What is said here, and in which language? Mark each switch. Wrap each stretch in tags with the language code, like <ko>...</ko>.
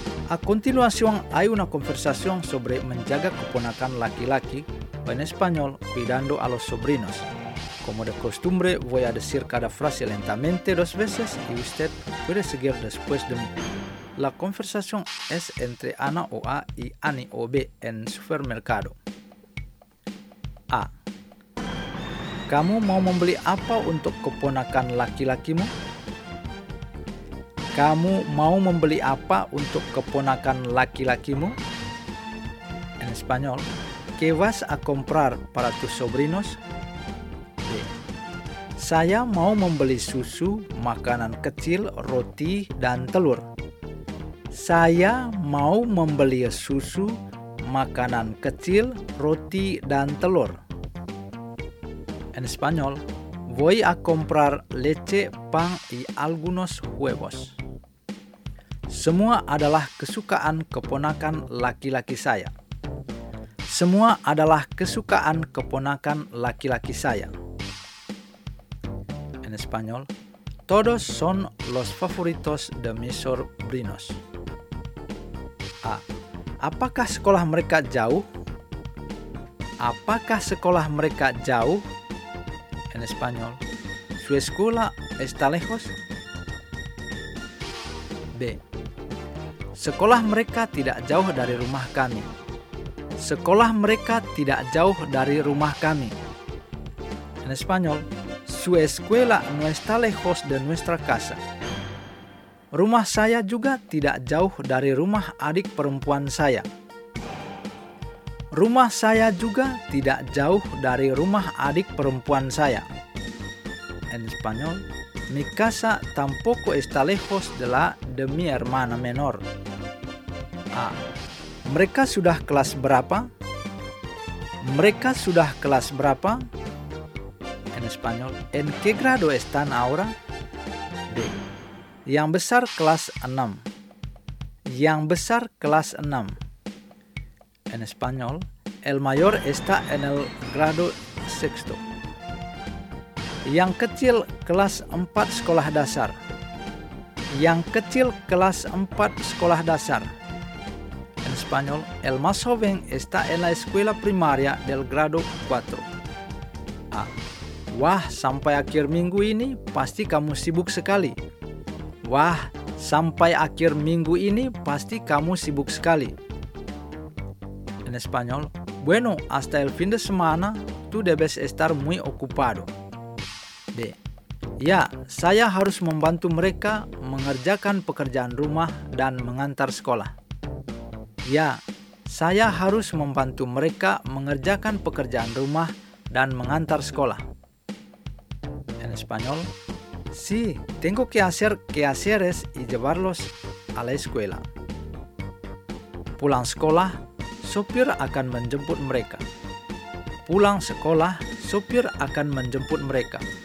<es>A continuación hay una conversación sobre</es> <id>menjaga keponakan laki-laki</id> <es>o en español cuidando a los sobrinos. Como de costumbre voy a decir cada frase lentamente dos veces y usted puede seguir después de mí. La conversación es entre Ana o A y Annie o B en supermercado. A.</es> <id>¿Kamu mau membeli apa untuk keponakan laki-lakimu? Kamu mau membeli apa untuk keponakan laki-lakimu?</id> <es>En español, ¿qué vas a comprar para tus sobrinos?</es> <id>Sí. Saya mau membeli susu, makanan kecil, roti, dan telur. Saya mau membeli susu, makanan kecil, roti, dan telur.</id> <es>En español, voy a comprar leche, pan y algunos huevos.</es> <id>Semua adalah kesukaan keponakan laki-laki saya. Semua adalah kesukaan keponakan laki-laki saya.</id> <es>En español, todos son los favoritos de mis sobrinos.</es> <id>A. Apakah sekolah mereka jauh? Apakah sekolah mereka jauh?</id> <es>en español. ¿Su escuela está lejos? B.</es> <id>Sekolah mereka tidak jauh dari rumah kami. Sekolah mereka tidak jauh dari rumah kami.</id> <es>En español, su escuela no está lejos de nuestra casa.</es> <id>Rumah saya juga tidak jauh dari rumah adik perempuan saya. Rumah saya juga tidak jauh dari rumah adik perempuan saya.</id> <es>En español, mi casa tampoco está lejos de la de mi hermana menor. A.</es> <id>Mereka sudah kelas berapa? Mereka sudah kelas berapa?</id> <es>En español, ¿en qué grado están ahora? B.</es> <id>Yang besar kelas 6. Yang besar kelas 6.</id> <es>En español, el mayor está en el grado 6.</es> <id>Yang kecil kelas 4 sekolah dasar. Yang kecil kelas 4 sekolah dasar.</id> <es>En español, el más joven está en la escuela primaria del grado 4. A.</es> <id>Wah, sampai akhir minggu ini pasti kamu sibuk sekali. Wah, sampai akhir minggu ini pasti kamu sibuk sekali.</id> <es>En español, bueno, hasta el fin de semana tú debes estar muy ocupado. D.</es> <id>Ya, saya harus membantu mereka mengerjakan pekerjaan rumah dan mengantar sekolah. Ya, saya harus membantu mereka mengerjakan pekerjaan rumah dan mengantar sekolah.</id> <es>En español, sí, tengo que hacer quehaceres y llevarlos a la escuela.</es> <id>Pulang sekolah, sopir akan menjemput mereka. Pulang sekolah, sopir akan menjemput mereka.</id>